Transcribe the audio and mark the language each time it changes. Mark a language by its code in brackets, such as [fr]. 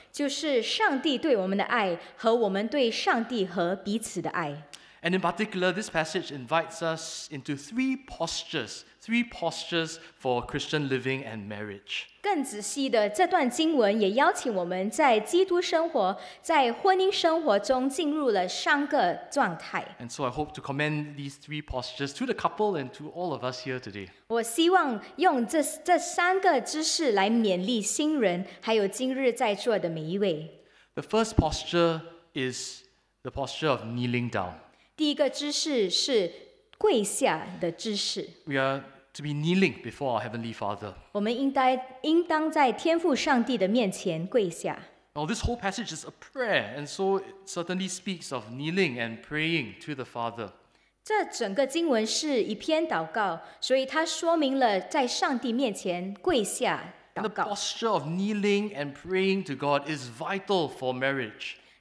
[zh] 就是上帝对我们的爱和我们对上帝和彼此的爱。 [en] And in particular, this passage invites us into three postures for Christian living and marriage. [zh] 更仔细的，这段经文也邀请我们在基督生活、在婚姻生活中进入了三个状态。 [en] And so I hope to commend these three postures to the couple and to all of us here today. [zh] 我希望用这三个姿势来勉励新人，还有今日在座的每一位。 [en] The first posture is the posture of kneeling down. [zh] 第一个姿势是跪下的姿势。 [en] We are to be kneeling before our Heavenly Father. [zh] 我们应当在天父上帝的面前跪下。 [en] Now, this whole passage is a prayer, and so it certainly speaks of kneeling and praying to the Father. [zh] 这整个经文是一篇祷告，所以它说明了在上帝面前跪下祷告。 [en] The posture of kneeling and praying to God is vital for marriage.